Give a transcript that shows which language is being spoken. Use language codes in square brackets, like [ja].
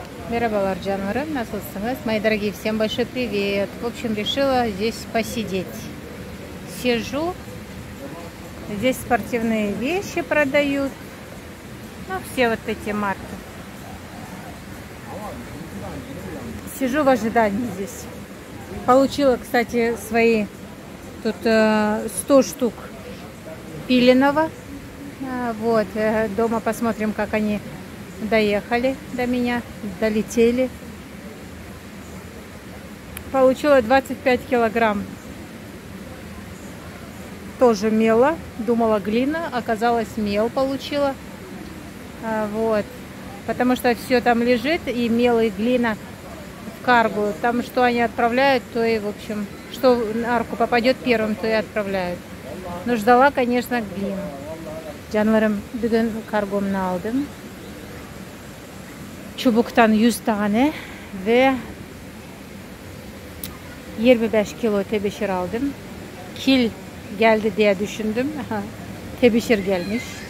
[tr] Merhabalar canlarım, nasılsınız? [ru] Мои дорогие, всем большой привет. В общем, решила здесь посидеть. Сижу. Здесь спортивные вещи продают. Ну, все вот эти марки. Сижу в ожидании здесь. Получила, кстати, свои тут 100 штук пиленого. Вот, дома посмотрим, как они доехали до меня, долетели. Получила 25 килограмм тоже мела. Думала, глина, оказалось, мел получила. Вот, потому что все там лежит, и мел, и глина в каргу. Там, что они отправляют, то и, в общем, что на арку попадет первым, то и отправляют. Но ждала, конечно, глину. [tr] Canlarım, bugün kargomunu aldım. Çubuktan 100 tane ve 25 kilo tebeşir aldım. Kil geldi diye düşündüm. Tebeşir gelmiş.